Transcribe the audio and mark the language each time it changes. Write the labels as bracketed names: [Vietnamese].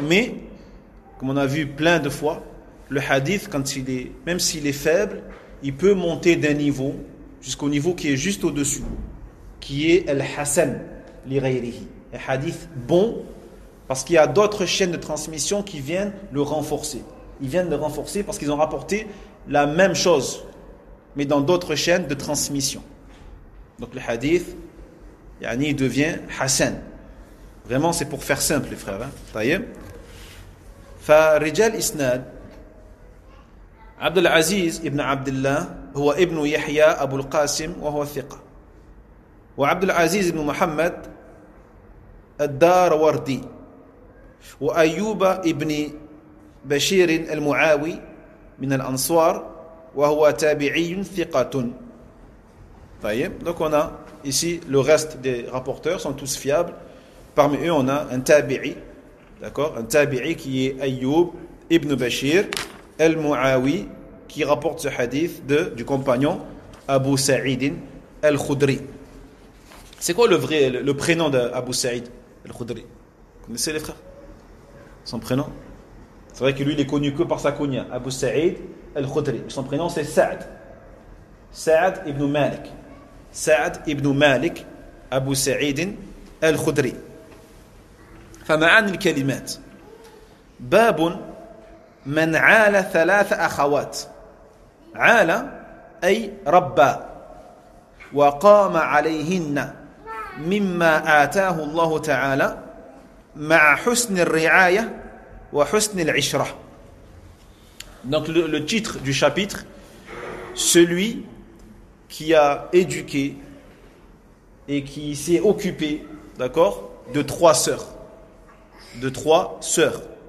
[French] Mais, comme on a vu plein de fois, le hadith, quand il est, même s'il est faible, il peut monter d'un niveau jusqu'au niveau qui est juste au-dessus, qui est al-hasan li-ghayrihi, un hadith bon, parce qu'il y a d'autres chaînes de transmission qui viennent le renforcer. Ils viennent de renforcer parce qu'ils ont rapporté la même chose, mais dans d'autres chaînes de transmission. Donc le hadith, yani, devient hassan. Vraiment, c'est pour faire simple, les frères. Hein? [Arabic] فرجال إسناد عبد العزيز ابن عبد الله هو ابن يحيى أبو القاسم وهو ثقة، وعبد العزيز ابن محمد الداروردي، وأيوب ابن بشير المعاوي من الأنصار وهو تابعي ثقة. طيب دونك هنا [French] ici le reste des rapporteurs sont tous fiables. Parmi eux, on a un tabi'i, d'accord, un tabi'i qui est Ayyub ibn Bashir al-Mu'awi, qui rapporte ce hadith du compagnon Abu Sa'id al-Khudri. C'est quoi le prénom d'Abu Sa'id al-Khudri? Vous connaissez les frères? Son prénom? C'est vrai que lui, il est connu que par sa kunya, Abu Sa'id al-Khudri. Son prénom, c'est Sa'd. Sa'd ibn Malik. Sa'd ibn Malik, Abu Sa'id al-Khudri. [Arabic] فمعاني الكلمات باب من عال ثلاث أخوات عال أي ربا وقام عليهن مما آتاه الله تعالى مع حسن الرعاية وحسن العشرة. [French] Donc le titre du chapitre, celui qui a éduqué et qui s'est occupé, d'accord, de trois sœurs. De trois sœurs.